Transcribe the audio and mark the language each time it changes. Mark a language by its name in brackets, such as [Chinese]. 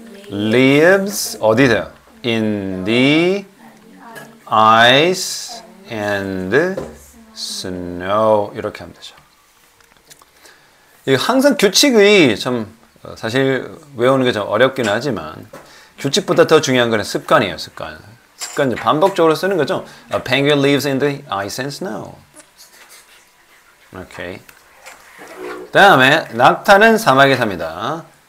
[English] Lives [Korean] 어디세요? [English] In the ice and snow [Korean] 이렇게 하면 되죠. 이 항상 규칙이 참 사실 외우는 게 좀 어렵긴 하지만 규칙보다 더 중요한 건 습관이에요. 습관. 습관 이제 반복적으로 쓰는 거죠. [English] A penguin lives in the ice and snow. [Korean] 오케이. 다음에 낙타는 사막에 삽니다.